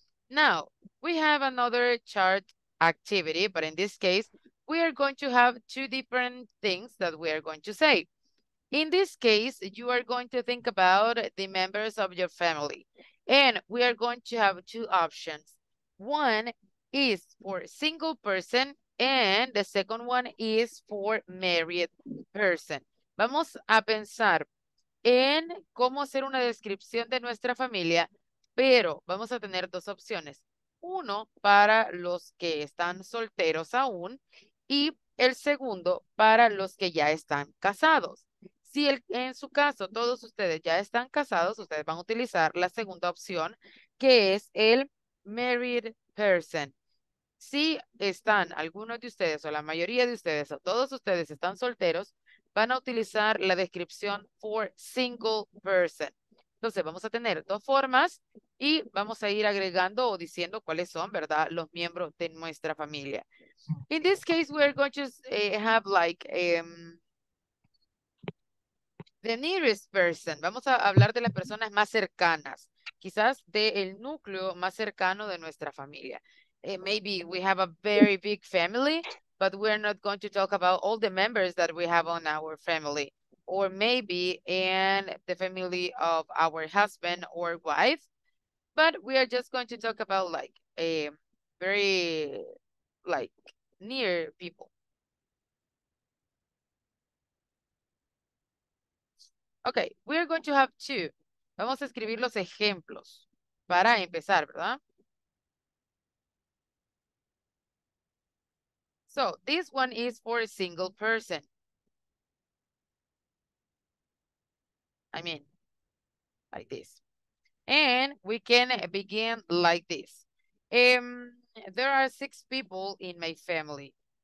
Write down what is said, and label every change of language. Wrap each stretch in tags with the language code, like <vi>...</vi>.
<en>Now, we have another chart activity, but in this case, we are going to have two different things that we are going to say. In this case, you are going to think about the members of your family. And we are going to have two options. One is for a single person, and the second one is for married person.</en> <es>Vamos a pensar en cómo hacer una descripción de nuestra familia, pero vamos a tener dos opciones. Uno para los que están solteros aún, y el segundo para los que ya están casados. Si en su caso todos ustedes ya están casados, ustedes van a utilizar la segunda opción, que es el married person. Si están algunos de ustedes, o la mayoría de ustedes, o todos ustedes están solteros, van a utilizar la descripción</es> <en>for single person.</en> <es>Entonces vamos a tener dos formas y vamos a ir agregando o diciendo cuáles son, ¿verdad?, los miembros de nuestra familia.</es> <en>In this case, we're going to have like the nearest person.</en> <es>Vamos a hablar de las personas más cercanas, quizás del núcleo más cercano de nuestra familia.</es> <en>Maybe we have a very big family, but we're not going to talk about all the members that we have on our family. Or maybe in the family of our husband or wife. But we are just going to talk about like a very like near people. Okay, we're going to have two.</en> <es>Vamos a escribir los ejemplos para empezar, ¿verdad?</es> <en>So this one is for a single person. I mean, like this. And we can begin like this. There are six people in my family.</en>